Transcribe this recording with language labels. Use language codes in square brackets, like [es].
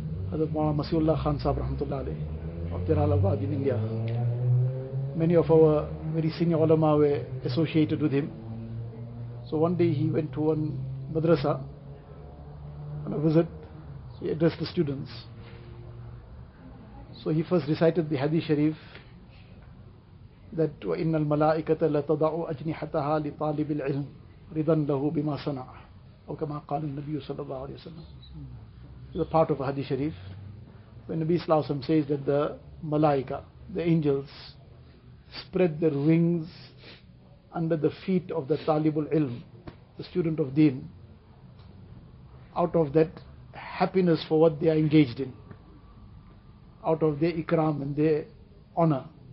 [en] Hazrat Maulana Masihullah Khan Sahib Rahmatullah Alayh of Jalalabad in India. Many of our very senior ulama were associated with him. So one day he went to one madrasa on a visit. So he addressed the students. So he first recited the Hadith Sharif that [ar] وَإِنَّ الْمَلَائِكَةَ لَتَضَعُ أَجْنِحَتَهَا لِطَالِبِ الْعِلْمِ رِضًا لَهُ بِمَا صَنَعَ أو كَمَا قَالَ النَّبِيُّ صَلَى اللَّهُ عَلَيْهِ وَسَلَّمَ. [en] It's a part of a Hadith Sharif when Nabi Sallallahu Alaihi Wasallam says that the malaika, the angels, spread their wings under the feet of the talibul ilm, the student of deen, out of that happiness for what they are engaged in, out of their ikram and their honor.